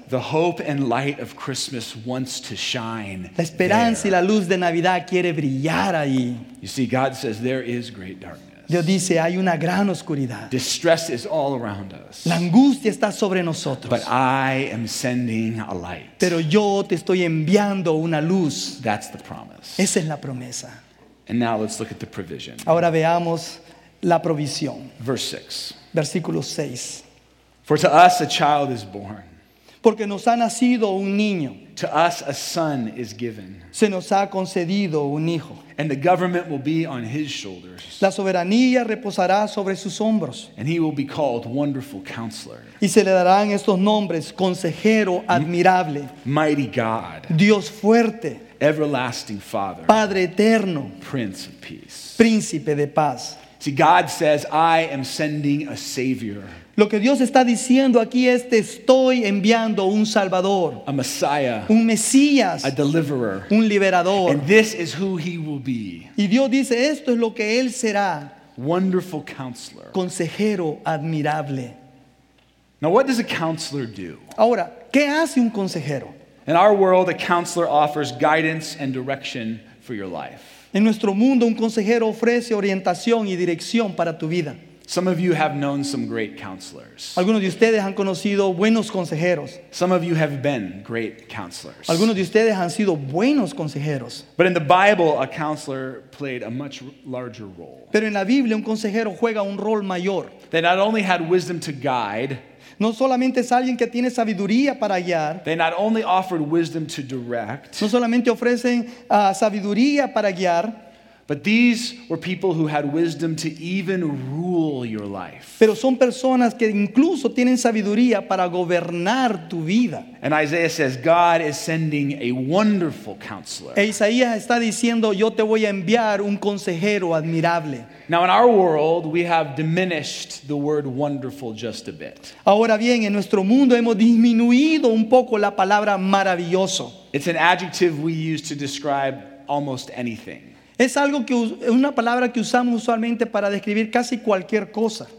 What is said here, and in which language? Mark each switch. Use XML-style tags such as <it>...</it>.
<en>the hope and light of Christmas wants to shine.</en> <es>La esperanza</es> <en>there.</en> <es>Y la luz de Navidad quiere brillar ahí.</es> <en>You see, God says there is great darkness.</en> <es>Dios dice hay una gran oscuridad.</es> <en>Distress is all around us.</en> <es>La angustia está sobre nosotros.</es> <en>But I am sending a light.</en> <es>Pero yo te estoy enviando una luz.</es> <en>That's the promise.</en> <es>Esa es la promesa.</es> <en>And now let's look at the provision.</en> <es>Ahora veamos la provisión.</es> <en>Verse 6.</en> <es>Versículo 6.</es> <en>For to us a child is born.</en> <es>Porque nos ha nacido un niño.</es> <en>To us a son is given.</en> <es>Se nos ha concedido un hijo.</es> <en>And the government will be on his shoulders.</en> <es>La soberanía reposará sobre sus hombros.</es> <en>And he will be called Wonderful Counselor.</en> <es>Y se le darán estos nombres, Consejero Admirable.</es> <en>Mighty God.</en> <es>Dios fuerte.</es> <en>Everlasting Father,</en> <es>Padre eterno,</es> <en>Prince of Peace,</en> <es>Príncipe de paz.</es> <en>See, God says, "I am sending a Savior."</en> <es>Lo que Dios está diciendo aquí es, te estoy enviando un Salvador,</es> <en>a Messiah,</en> <es>un Mesías,</es> <en>a Deliverer,</en> <es>un Liberador.</es> <en>And this is who He will be.</en> <es>Y Dios dice, esto es lo que él será.</es> <en>Wonderful Counselor,</en> <es>Consejero Admirable.</es> <en>Now, what does a counselor do?</en> <es>Ahora, ¿qué hace un consejero?</es> <en>In our world, a counselor offers guidance and direction for your life.</en> <es>En nuestro mundo, un consejero ofrece orientación y dirección para tu vida.</es> <en>Some of you have known some great counselors.</en> <es>Algunos de ustedes han conocido buenos consejeros.</es> <en>Some of you have been great counselors.</en> <es>Algunos de ustedes han sido buenos consejeros.</es> <en>But in the Bible, a counselor played a much larger role.</en> <es>Pero en la Biblia, un consejero juega un rol mayor.</es> <en>They not only had wisdom to guide.</en> <es>No solamente es alguien que tiene sabiduría para guiar.</es> <en>They not only offered wisdom to direct.</en> <es>No solamente ofrecen sabiduría para guiar.</es> <en>But these were people who had wisdom to even rule your life.</en> <es>Pero son personas que incluso tienen sabiduría para gobernar tu vida.</es> <en>And Isaiah says, God is sending a wonderful counselor.</en> <es>E Isaías está diciendo, yo te voy a enviar un consejero admirable.</es> <en>Now in our world, we have diminished the word wonderful just a bit.</en> <es>Ahora bien, en nuestro mundo hemos disminuido un poco la palabra maravilloso.</es> <en>It's an adjective we use to describe almost anything.</en> <es>Es algo que es una palabra que usamos usualmente para describir casi cualquier cosa.</es>